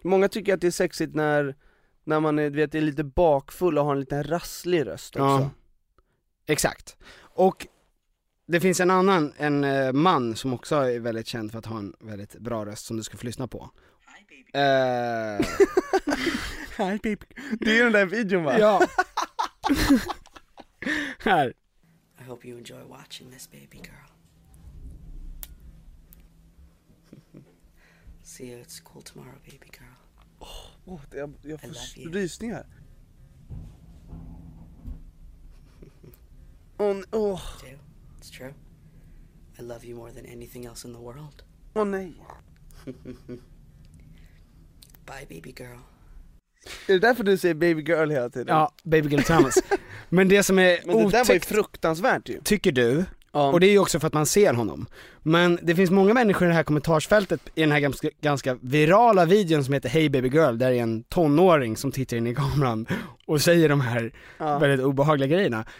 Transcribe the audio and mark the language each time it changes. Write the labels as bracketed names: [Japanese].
[Swedish] Många tycker att det är sexigt när man är, vet, är lite bakfull och har en liten rasslig röst också. Ja, exakt. Och det finns en annan, en man som också är väldigt känd för att ha en väldigt bra röst som du ska få lyssna på. [English] Hi baby. Hi baby. [Swedish] Det är ju den där videon va? Ja. Här. [English] I hope you enjoy watching this baby girl. See you at school tomorrow baby girl. [Swedish] Jag får rysningar. Oh. [English] I do. It's true. I love you more than anything else in the world. [Swedish] Oh, nej. [English] Bye, baby girl. [Swedish] Är det därför du säger baby girl hela tiden? Ja, baby girl Thomas. Men det som är otäckt... Men det där var ju fruktansvärt ju. Tycker du? Och det är ju också för att man ser honom. Men det finns många människor i det här kommentarsfältet i den här ganska virala videon som heter Hey Baby Girl, där det är en tonåring som tittar in i kameran och säger de här väldigt obehagliga grejerna.